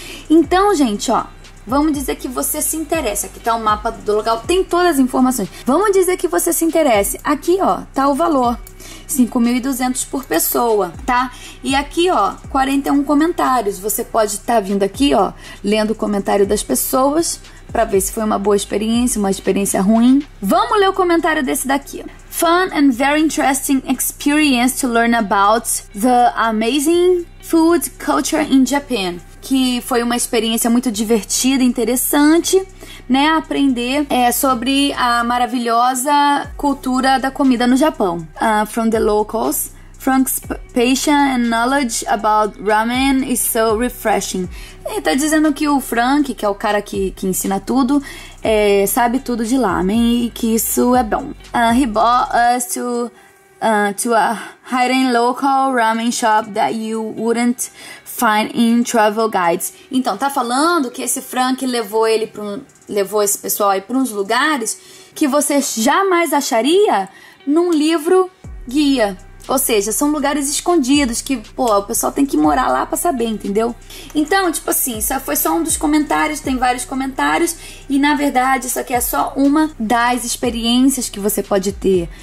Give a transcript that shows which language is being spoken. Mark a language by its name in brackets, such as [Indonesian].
[Portuguese] Então, gente, ó, vamos dizer que você se interessa. Aqui tá o mapa do local, tem todas as informações. Vamos dizer que você se interessa. Aqui, ó, tá o valor. 5.200 por pessoa, tá? E aqui, ó, 41 comentários. Você pode estar vindo aqui, ó, lendo o comentário das pessoas pra ver se foi uma boa experiência, uma experiência ruim. Vamos ler o comentário desse daqui. [English] Fun and very interesting experience to learn about the amazing food culture in Japan. [Portuguese] Que foi uma experiência muito divertida, interessante, né? Aprender sobre a maravilhosa cultura da comida no Japão. [English] From the locals, Frank's passion and knowledge about ramen is so refreshing. [Portuguese] Ele tá dizendo que o Frank, que é o cara que ensina tudo, sabe tudo de ramen e que isso é bom. [English] He brought us to a hidden local ramen shop that you wouldn't find in travel guides. [Portuguese] Então, tá falando que esse Frank levou esse pessoal aí pra uns lugares que você jamais acharia num livro guia. Ou seja, são lugares escondidos que, pô, o pessoal tem que morar lá pra saber, entendeu? Então, tipo assim, isso foi só um dos comentários, tem vários comentários, e na verdade isso aqui é só uma das experiências que você pode ter.